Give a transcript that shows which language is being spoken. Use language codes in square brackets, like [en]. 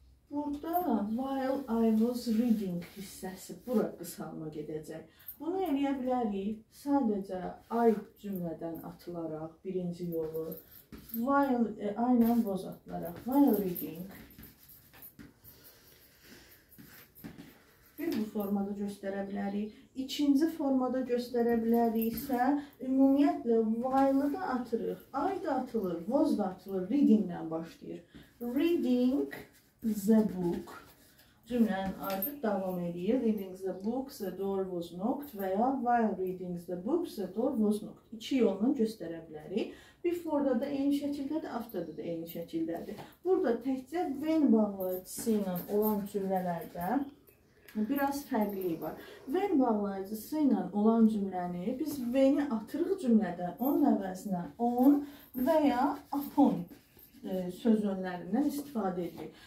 [az] Burada [en] while I was reading [az] hissəsi bura qısalma gedəcək. Bunu eləyə bilərik sadəcə I cümlədən atılaraq birinci yolu. While aynən was atılaraq. [en] While reading. [az] Bir bu formada göstərə bilərik. İkinci formada göstərə bilərik isə ümumiyyətlə while-ı da atırıq. I da atılır, was da atılır, reading-dən başlayır. [en] Reading the book. [az] Cümlənin ardı davam edir. [en] Reading the book, the door was knocked. Və ya while reading the book, the door was knocked. [az] İki yolunu göstərə bilərik. Before-da da eyni şəkildədir, after-da da eyni şəkildədir. Burada təkcə when bağlayıcısı ilə olan cümlələrdə biraz fərqliyi var. When bağlayıcısı ilə olan cümləni biz when-i atırıq cümlədən, onun əvəzinə on və ya upon söz önlərindən istifadə edirik.